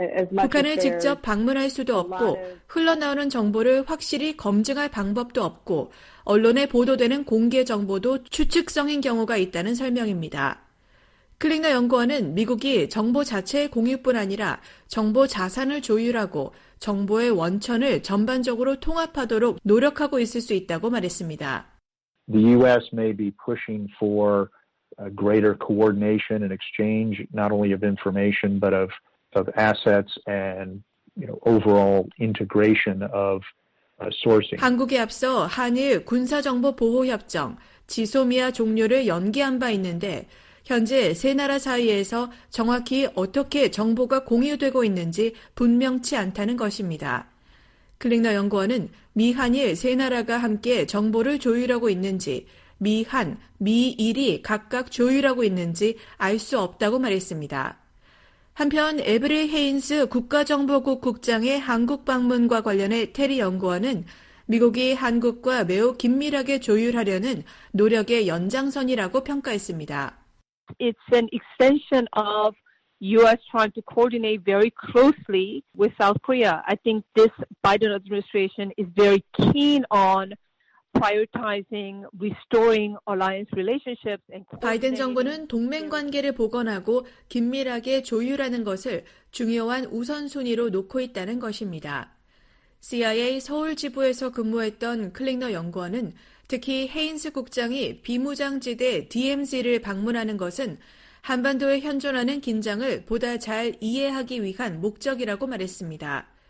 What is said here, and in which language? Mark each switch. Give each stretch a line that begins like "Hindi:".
Korean: 북한을 직접 방문할 수도 없고 흘러나오는 정보를 확실히 검증할 방법도 없고 언론에 보도되는 공개 정보도 추측성인 경우가 있다는 설명입니다. 클링너 연구원은 미국이 정보 자체의 공유뿐 아니라 정보 자산을 조율하고 정보의 원천을 전반적으로 통합하도록 노력하고 있을 수 있다고 말했습니다.
English: The U.S. may be pushing for a greater coordination and exchange not only of information but of assets and, you know, overall integration of sourcing.
Korean: 한국에 앞서 한일 군사정보보호협정, 지소미아 종료를 연기한 바 있는데 현재 세 나라 사이에서 정확히 어떻게 정보가 공유되고 있는지 분명치 않다는 것입니다. 클링너 연구원은 미한일 세 나라가 함께 정보를 조율하고 있는지 미한, 미일이 각각 조율하고 있는지 알 수 없다고 말했습니다. 한편 에브리 헤인스 국가정보국 국장의 한국 방문과 관련해 테리 연구원은 미국이 한국과 매우 긴밀하게 조율하려는 노력의 연장선이라고 평가했습니다.
English: It's an extension of U.S. trying to coordinate very closely with South Korea. I think this Biden administration is very keen on prioritizing restoring alliance relationships.
Korean: 바이든 정부는 동맹 관계를 복원하고 긴밀하게 조율하는 것을 중요한 우선순위로 놓고 있다는 것입니다. CIA 서울지부에서 근무했던 클링너 연구원은 특히 헤인스 국장이 비무장지대 DMZ를 방문하는 것은 한반도에 현존하는 긴장을 보다 잘 이해하기 위한 목적이라고 말했습니다.